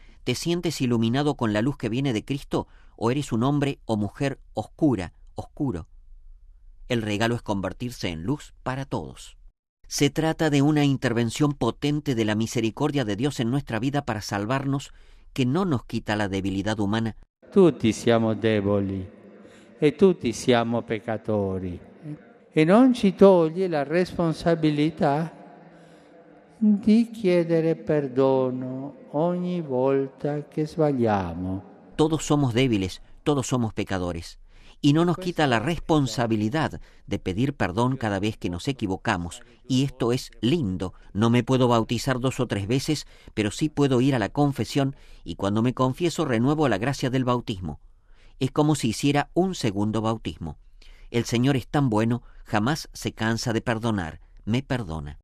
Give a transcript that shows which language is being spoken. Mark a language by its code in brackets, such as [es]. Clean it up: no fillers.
[es] ¿Te sientes iluminado con la luz que viene de Cristo o eres un hombre o mujer oscura, oscuro? El regalo es convertirse en luz para todos. Se trata de una intervención potente de la misericordia de Dios en nuestra vida para salvarnos, que no nos quita la debilidad humana. [it] Tutti siamo deboli e tutti siamo peccatori e non ci toglie la responsabilità di chiedere perdono ogni volta che sbagliamo. [es] Todos somos débiles, todos somos pecadores. Y no nos quita la responsabilidad de pedir perdón cada vez que nos equivocamos. Y esto es lindo. No me puedo bautizar dos o tres veces, pero sí puedo ir a la confesión y cuando me confieso renuevo la gracia del bautismo. Es como si hiciera un segundo bautismo. El Señor es tan bueno, jamás se cansa de perdonar. Me perdona.